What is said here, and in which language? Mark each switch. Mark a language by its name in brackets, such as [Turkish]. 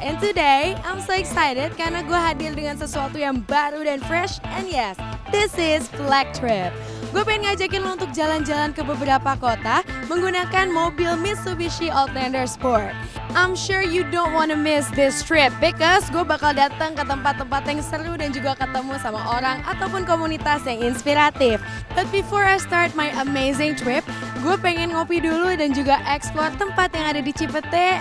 [English] And today, I'm so excited [Indonesian] karena gue hadir dengan sesuatu yang baru dan fresh. [English] And yes, this is Flag Trip. [Indonesian] Gue pengen ngajakin lo untuk jalan-jalan ke beberapa kota menggunakan mobil Mitsubishi Outlander Sport. [English] I'm sure you don't wanna miss this trip because [Indonesian] gue bakal datang ke tempat-tempat yang seru dan juga ketemu sama orang ataupun komunitas yang inspiratif. [English] But before I start my amazing trip, [Indonesian] gue pengen ngopi dulu dan juga explore tempat yang ada di Cipete.